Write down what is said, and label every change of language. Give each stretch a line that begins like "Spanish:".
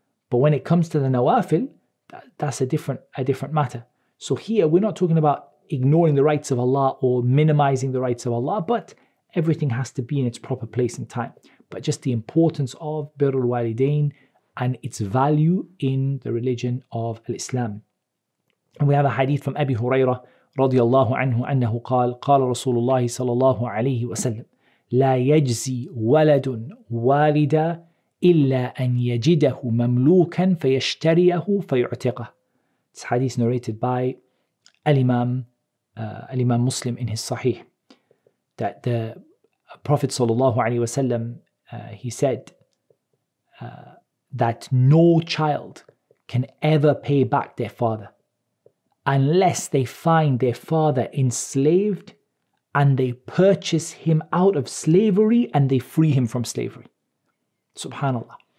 English: But when it comes to the nawafil, that's a different matter. So here, we're not talking about ignoring the rights of Allah or minimizing the rights of Allah, but everything has to be in its proper place and time. But just the importance of birrul walidain and its value in the religion of Islam. And we have a hadith from Abi Hurairah,
Arabic: رضي الله عنه أنه قال قال رسول الله صلى الله عليه وسلم لا يجزي ولد والدا إلا أن يجده مملوكا فيشتريه فيعتقه.
English: This hadith narrated by Al-Imam Muslim in his Sahih, that the Prophet صلى الله عليه وسلم he said that no child can ever pay back their father unless they find their father enslaved and they purchase him out of slavery and they free him from slavery. SubhanAllah.